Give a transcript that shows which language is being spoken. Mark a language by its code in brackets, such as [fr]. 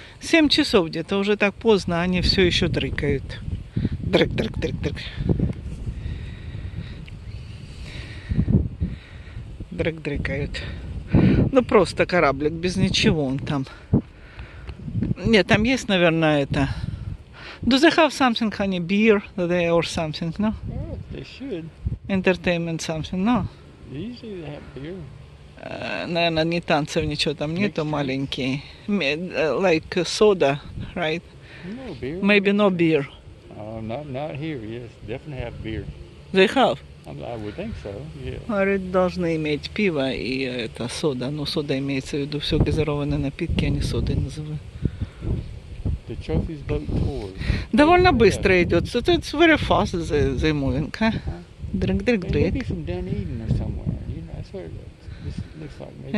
[ru] 7 часов где-то, уже так поздно, они все еще дрыгают. Дрык, дрык, дрык, дрык. Дрык, дрыкают. Ну, просто кораблик, без ничего он там. Нет, там есть, наверное, это... [en] Do they have something, honey, beer today or something, no? Yeah, they should. Entertainment something, no? Usually they have beer. [ru] Наверное, ни танцев, ничего там нету, маленький. [en] Like soda, right? No beer. Maybe no beer. Not here, yes. Definitely have beer. They have? I would think so, yeah. [ru] Говорит, должны иметь пиво и это сода. Но сода имеется в виду все газированные напитки, они соды называют. Довольно быстро идет. [en] So it's very fast the moving, huh? Drink, drink, drink. Maybe from Dunedin or somewhere. You know, I swear this looks like maybe.